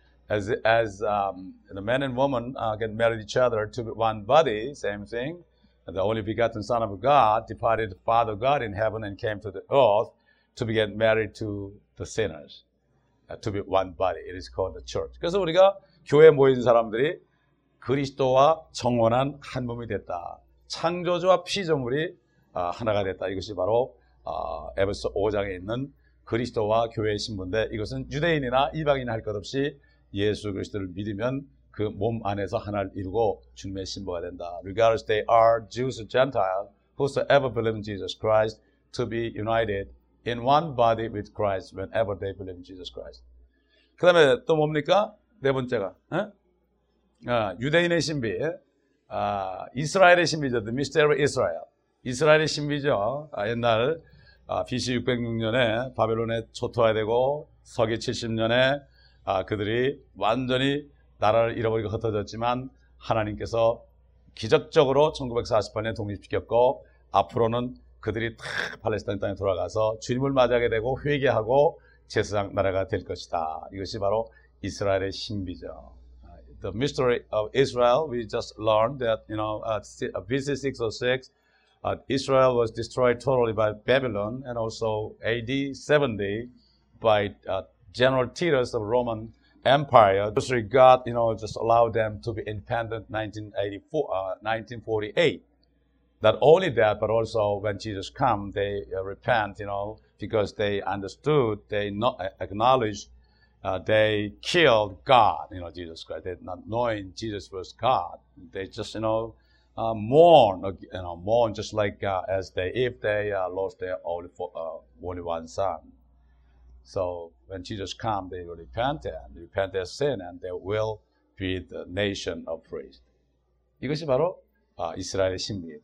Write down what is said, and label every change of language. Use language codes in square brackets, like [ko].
[en] As the man and woman get married each other to one body, same thing. The only begotten Son of God departed the Father God in heaven and came to the earth to be get married to the sinners. To be one body. It is called the church. [ko] 그래서 우리가 교회 모인 사람들이 그리스도와 정원한 한 몸이 됐다. 창조주와 피조물이 하나가 됐다. 이것이 바로 에베소 5장에 있는 그리스도와 교회의 신분인데 이것은 유대인이나 이방인이나 할 것 없이 예수 그리스도를 믿으면 그 몸 안에서 하나를 이루고 주님의 신부가 된다. [en] Regardless they are Jews or Gentiles, whosoever believe in Jesus Christ to be united in one body with Christ whenever they believe in Jesus Christ. [ko] 그 다음에 또 뭡니까? 네 번째가. 유대인의 신비. 이스라엘의 신비죠. [en] The mystery of Israel. [ko] 이스라엘의 신비죠. 옛날 BC 606년에 바벨론에 초토화되고 서기 70년에 그들이 완전히 나라를 잃어버리고 흩어졌지만 하나님께서 기적적으로 1948년에 독립시켰고 앞으로는 그들이 다 팔레스타인 땅에 돌아가서 주님을 맞이하게 되고 회개하고 제사장 나라가 될 것이다. 이것이 바로 이스라엘의 신비죠. [en] The mystery of Israel, we just learned that, you know, BC 606, Israel was destroyed totally by Babylon and also AD 70 by General Titus of Roman Empire. Basically, God, you know, just allowed them to be independent 1948. Not only that, but also when Jesus came, they repent, you know, because they understood, they acknowledged, they killed God, you know, Jesus Christ. They, not knowing Jesus was God, they just, you know, mourn just like as they, if they lost their only one son. So when Jesus came, they repented their sin, and they will be the nation of priests. [ko] 이것이 바로 이스라엘의 신비.